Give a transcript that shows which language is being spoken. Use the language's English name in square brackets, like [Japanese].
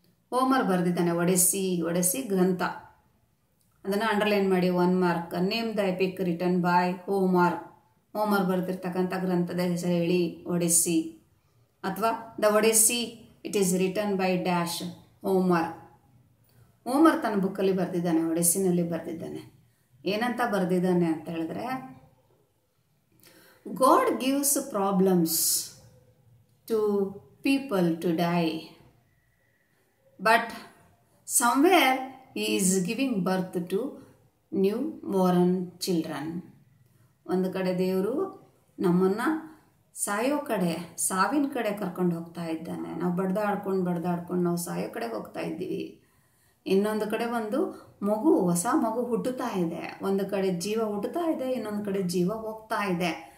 [Kannada] Homer ಬರೆದಿದ್ದಾನೆ ಒಡೆಸ್ಸಿ, ಒಡೆಸ್ಸಿ ಗ್ರಂಥ. ಅದನ್ನು ಅಂಡರ್ಲೈನ್ ಮಾಡಿ one mark. [English] name the epic return by Homer, [Kannada] Homer ಬರೆದಿರ್ತಕ್ಕಂಥ ಗ್ರಂಥದ ಹೆಸರು ಹೇಳಿ ಒಡೆಸ್ಸಿ. [English] ಅಥವಾ the Odyssey it is return by dash Homer. [Kannada] Homer ತನ್ನ ಬುಕ್ಕಲ್ಲಿ ಬರೆದಿದ್ದಾನೆ, ಒಡೆಸ್ಸಿನಲ್ಲಿ ಬರೆದಿದ್ದಾನೆ. ಏನಂತ ಬರೆದಿದ್ದಾನೆ ಅಂತ ಹೇಳಿದ್ರೆ, [English] God gives problems to people to die, but somewhere he is giving birth to new born children. [Kannada] ಒಂದು ಕಡೆ ದೇವರು ನಮ್ಮನ್ನು ಸಾಯೋ ಕಡೆ, ಸಾವಿನ ಕಡೆ ಕರ್ಕೊಂಡು ಹೋಗ್ತಾ ಇದ್ದಾನೆ. ನಾವು ಬಡ್ದಾಡ್ಕೊಂಡು ಬಡ್ದಾಡ್ಕೊಂಡು ನಾವು ಸಾಯೋ ಕಡೆಗೆ ಹೋಗ್ತಾ ಇದ್ದೀವಿ. ಇನ್ನೊಂದು ಕಡೆ ಒಂದು ಮಗು, ಹೊಸ ಮಗು ಹುಟ್ಟುತ್ತಾ ಇದೆ. ಒಂದು ಕಡೆ ಜೀವ ಹುಟ್ಟುತ್ತಾ ಇದೆ, ಇನ್ನೊಂದು ಕಡೆ ಜೀವ ಹೋಗ್ತಾ ಇದೆ.